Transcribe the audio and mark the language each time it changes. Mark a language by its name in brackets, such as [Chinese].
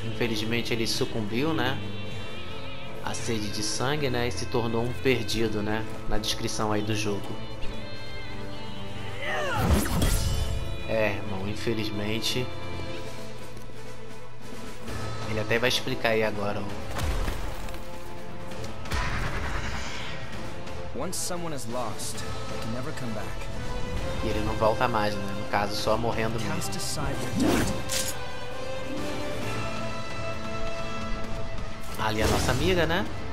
[Portuguese] Infelizmente ele sucumbiu, né? A sede de sangue, né? E se tornou um perdido, né? Na descrição aí do jogo. É, irmão, infelizmente. Ele até vai explicar aí agora, ó. [English] Once someone is lost, they can never come back. [Portuguese] E ele não volta mais, né? No caso, só morrendo mesmo. [English] Cast aside your doubt. [Portuguese] Ali a nossa amiga, né?